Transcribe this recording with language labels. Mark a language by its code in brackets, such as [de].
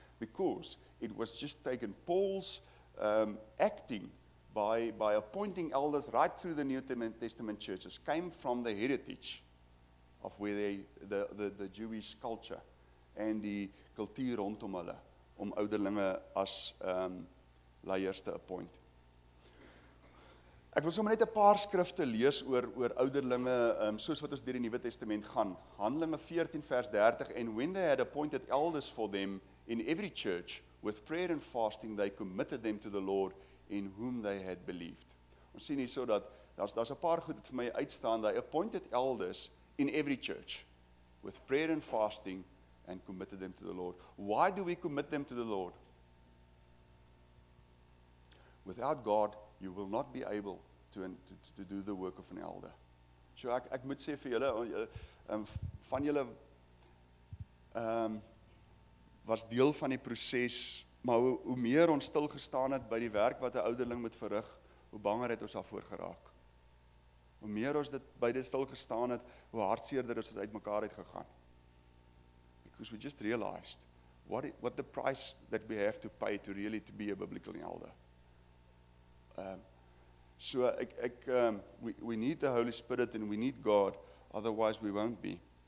[en] Because it was just taken Paul's acting by appointing elders right through the New Testament churches came from the heritage of where the Jewish culture and [af] die kultuur rondom hulle om ouderlinge as leiers te appoint. Ek wil sommer net 'n paar skrifte lees oor ouderlinge, soos wat ons deur die Nuwe Testament gaan. [en] Handelinge 14 vers 30, and when they had appointed elders for them in every church, with prayer and fasting, they committed them to the Lord in whom they had believed. [af] Ons sien hier so dat, daar's 'n paar goed wat vir my uitstaan, [en] they appointed elders in every church, with prayer and fasting, and committed them to the Lord. Why do we commit them to the Lord? Without God, you will not be able to do the work of an elder. [af] So ek moet sê vir julle, van julle was deel van die proses, maar hoe meer ons stil gestaan het by die werk wat 'n ouderling moet verrig, hoe banger het ons daarvoor geraak. Hoe meer ons dit beide stil gestaan het, hoe hartseerder is dit uit mekaar uit gegaan. [en] Because we just realized what the price that we have to pay to really to be a biblical elder. We need the Holy Spirit and we need God, otherwise we won't be.